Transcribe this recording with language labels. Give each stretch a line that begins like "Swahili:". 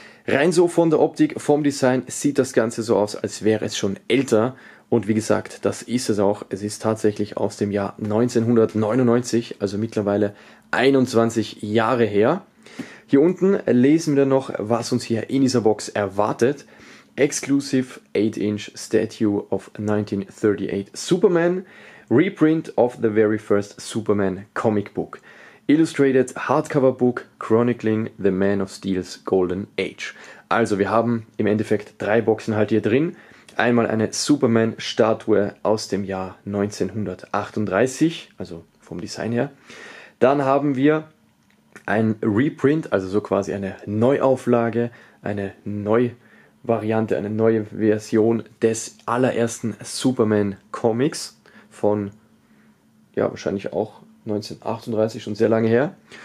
German: Rein so von der Optik, vom Design sieht das Ganze so aus, als wäre es schon älter. Und wie gesagt, das ist es auch. Es ist tatsächlich aus dem Jahr 1999, also mittlerweile 21 Jahre her. Hier unten lesen wir noch, was uns hier in dieser Box erwartet.
English: Exclusive 8-inch Statue of 1938 Superman. Reprint of the very first Superman comic book. Illustrated hardcover book chronicling the Man of Steel's Golden Age.
German: Also wir haben im Endeffekt drei Boxen halt hier drin. Einmal eine Superman-Statue aus dem Jahr 1938, also vom Design her. Dann haben wir ein Reprint, also so quasi eine Neuauflage, eine Neuvariante, eine neue Version des allerersten Superman-Comics von, ja, wahrscheinlich auch 1938, schon sehr lange her.